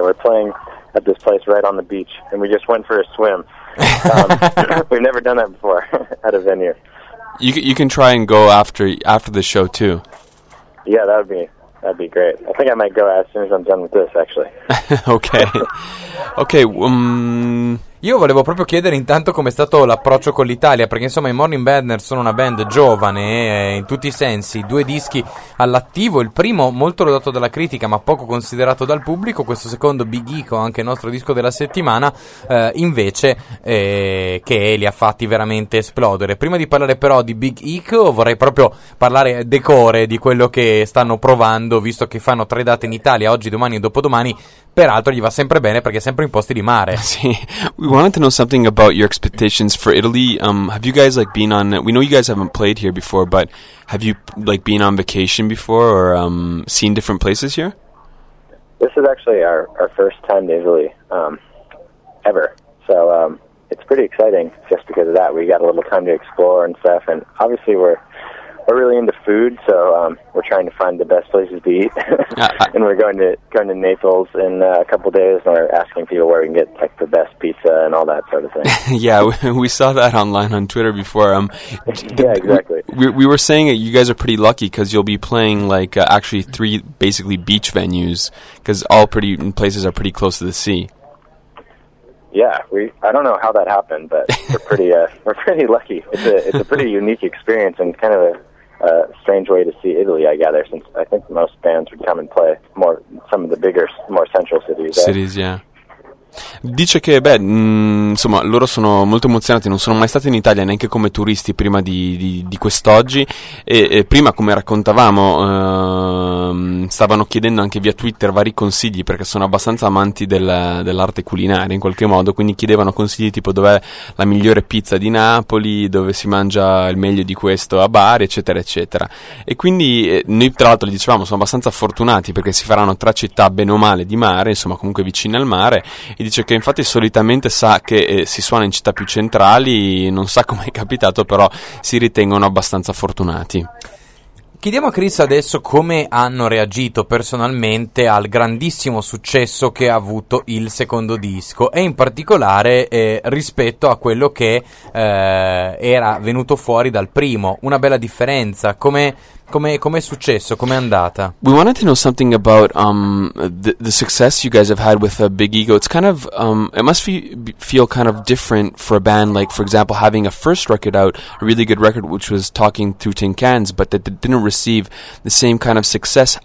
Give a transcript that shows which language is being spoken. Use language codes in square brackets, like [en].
[en] We're playing at this place right on the beach, and we just went for a swim. we've never done that before at a venue. You can try and go after the show too. Yeah, that'd be great. I think I might go as soon as I'm done with this, actually. Okay. Okay. [it] Io volevo proprio chiedere intanto com'è stato l'approccio con l'Italia, perché insomma i Morning Banner sono una band giovane in tutti i sensi, due dischi all'attivo, il primo molto lodato dalla critica ma poco considerato dal pubblico, questo secondo Big Eco, anche il nostro disco della settimana, invece che li ha fatti veramente esplodere. Prima di parlare però di Big Eco vorrei proprio parlare decore di quello che stanno provando, visto che fanno tre date in Italia, oggi, domani e dopodomani. Peraltro gli va sempre bene perché è sempre in posti di mare. Sì. [en] We wanted to know something about your expectations for Italy. Have you guys been on, we know you guys haven't played here before, but have you been on vacation before or seen different places here? This is actually our first time to Italy ever. So it's pretty exciting just because of that. We got a little time to explore and stuff, and obviously we're really into food, so we're trying to find the best places to eat. And we're going to Naples in a couple days, and we're asking people where we can get the best pizza and all that sort of thing. Yeah, we saw that online on Twitter before. Yeah, exactly. We were saying that you guys are pretty lucky because you'll be playing actually three basically beach venues, because all pretty places are pretty close to the sea. Yeah, I don't know how that happened, but we're pretty lucky. It's a pretty unique experience and kind of a strange way to see Italy, I gather, since I think most bands would come and play some of the bigger, more central cities. Cities, yeah. [it] Dice che, insomma, loro sono molto emozionati, non sono mai stati in Italia neanche come turisti prima di quest'oggi e prima, come raccontavamo, stavano chiedendo anche via Twitter vari consigli, perché sono abbastanza amanti dell'arte culinaria in qualche modo, quindi chiedevano consigli tipo dov'è la migliore pizza di Napoli, dove si mangia il meglio di questo a Bari, eccetera eccetera, e quindi noi tra l'altro gli dicevamo sono abbastanza fortunati perché si faranno tre città bene o male di mare, insomma comunque vicine al mare. E dice che infatti solitamente sa che si suona in città più centrali, non sa come è capitato, però si ritengono abbastanza fortunati. Chiediamo a Chris adesso come hanno reagito personalmente al grandissimo successo che ha avuto il secondo disco, e in particolare rispetto a quello che era venuto fuori dal primo. Una bella differenza, come è successo, come è andata? [en] We wanted to know something about the success you guys have had with Big Eco. It's kind of it must feel kind of different for a band, like for example having a first record out, a really good record, which was Talking Through Tin Cans, but that didn't receive the same kind of success.